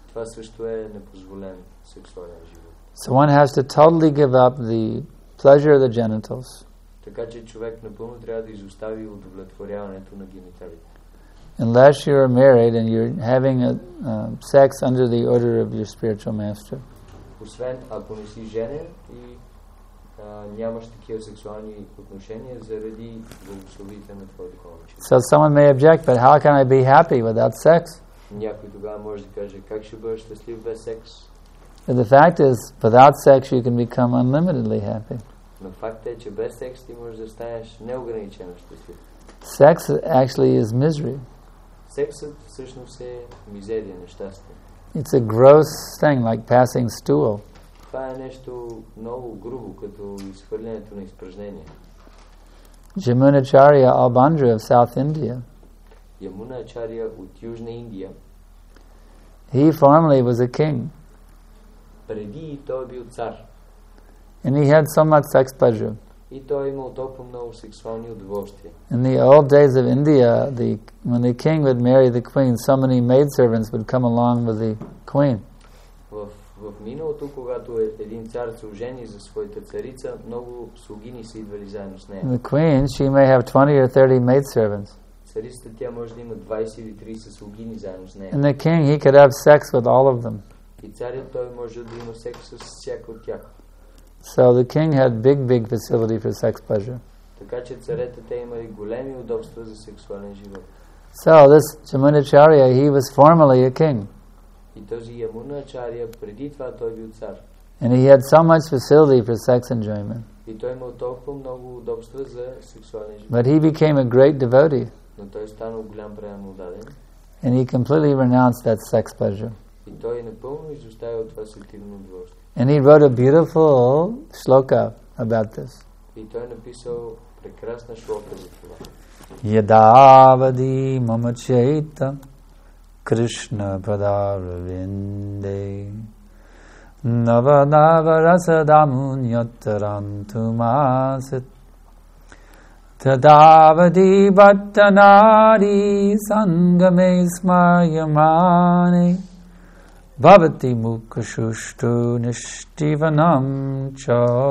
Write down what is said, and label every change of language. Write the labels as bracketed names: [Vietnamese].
[Bulgarian] Това също е непозволен сексуален живот. [English] So one has to totally give up the pleasure of the genitals. [Bulgarian] Така че човек напълно трябва да изостави удовлетворяването на гениталите. [English] Unless you are married and you're having sex under the order of your spiritual master. [Bulgarian] Освен ако не си женен и нямаш такива сексуални отношения заради благословията на твоя духовен учител. [English] So someone may object, but how can I be happy without sex? [Bulgarian] Някой тогава може да каже, как ще бъдеш щастлив без секс? [English] But the fact is, without sex, you can become unlimitedly happy. [Bulgarian] Но факт е, че без секс ти можеш да станеш неограничено щастлив. [English] Sex actually is misery. [Bulgarian] Сексът всъщност е мизерия, нещастие. [English] It's a gross thing, like passing stool. [Bulgarian] Това е нещо много грубо, като изхвърлянето на изпражнения. [English] Jamunacharya Albandra of South India. [Bulgarian] Jamunacharya от Южна Индия. [English] He formerly was a king. [Bulgarian] Преди той бил цар. [English] And he had so much sex pleasure. [Bulgarian] И той имал толкова много сексуални удоволствия. [English] In the old days of India, when the king would marry the queen, so many maidservants would come along with the queen. [Bulgarian] В миналото, когато един цар се ожени за своята царица, много слугини са идвали заедно с нея. [English] And the queen, she may have 20 or 30 maidservants. [Bulgarian] Царицата тя може да има 20 или 30 слугини заедно с нея. [English] And the king, he could have sex with all of them. [Bulgarian] И царят той може да има секс с всяко от тях. [English] So the king had big facility for sex pleasure. [Bulgarian] Така че царете те имали големи удобства за сексуален живот. [English] So this Jamunacharya, he was formerly a king. [Bulgarian] И този Jamunacharya преди това той бил цар. [English] And he had so much facility for sex enjoyment. [Bulgarian] И той имал толкова много удобства за сексуален живот. [English] But he became a great devotee. [Bulgarian] Но той станал голям преданодаден. [English] And he completely renounced that sex pleasure. [Bulgarian] И той е напълно изоставил това сексуално удоволствие. [English] And he wrote a beautiful shloka about this. [Bulgarian] И той е написал прекрасна шлока за това. [Sanskrit] Ядавади мама чейта Кришна падаравинде Навадава расадаму ньотаранту масит Тадавади баттанари сангаме смайамане Bhavati Mukashushtu Nishtivanam Cha.